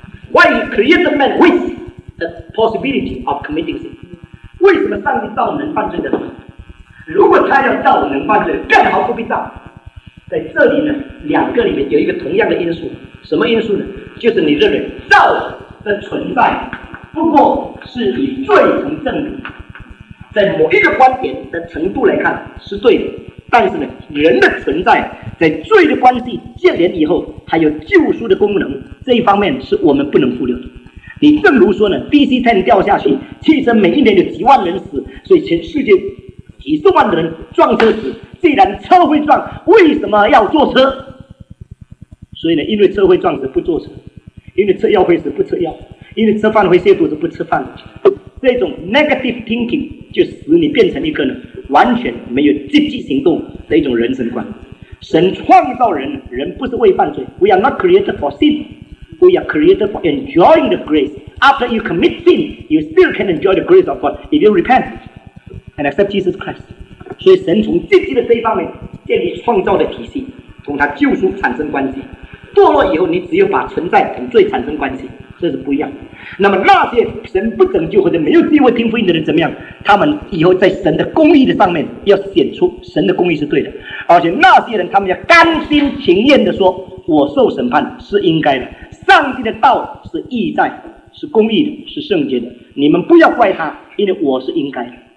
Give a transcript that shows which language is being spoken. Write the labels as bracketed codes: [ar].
[en] Why he created man with the possibility of committing sin? [zh] 为什么上帝造能犯罪的人？如果他要造能犯罪，更好不必造。在这里呢，两个里面有一个同样的因素，什么因素呢？就是你认为造的存在不过是以罪成证明，在某一个观点的程度来看是对的，但是呢，人的存在在罪的关系建立以后还有救赎的功能，这一方面是我们不能忽略的。你正如说呢 DC10 掉下去，汽车每一年有几万人死，所以全世界几十万的人撞车死，既然车会撞为什么要坐车？所以呢，因为车会撞死不坐车，因为车要会死不吃药，因为吃饭会泻肚子不吃饭。这种 [en] negative thinking [zh] 就使你变成一个呢完全没有积极行动的一种人生观。神创造人，人不是为犯罪。 [en] We are not created for sin. We are created for enjoying the grace. After you commit sin, you still can enjoy the grace of God if you repent and accept Jesus Christ. [zh] 所以神从积极的这一方面建立创造的体系，同他救赎产生关系。堕落以后，你只有把存在同罪产生关系，这是不一样。那么那些神不拯救或者没有机会听福音的人怎么样？他们以后在神的公义的上面要显出神的公义是对的，而且那些人他们要甘心情愿地说，我受审判是应该的，上帝的道是义在，是公义的，是圣洁的，你们不要怪他，因为我是应该的。